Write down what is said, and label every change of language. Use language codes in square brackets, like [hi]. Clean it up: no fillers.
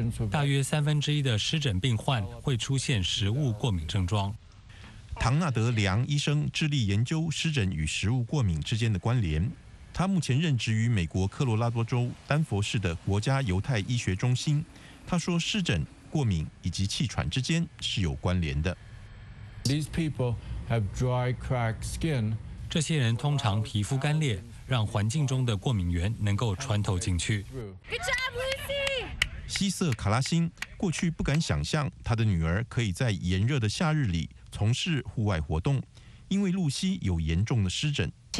[zh] 大约三分之一的湿疹病患会出现食物过敏症状。唐纳德·梁医生致力研究湿疹与食物过敏之间的关联。他目前任职于美国科罗拉多州丹佛市的国家犹太医学中心。他说，湿疹、过敏以及气喘之间是有关联的。 [en] These people have dry, cracked skin. [zh] 这些人通常皮肤干裂，让环境中的过敏源能够穿透进去。 [en] Good job, Lucy. [zh] 希瑟·卡拉辛过去不敢想象他的女儿可以在炎热的夏日里从事户外活动，因为露西有严重的湿疹，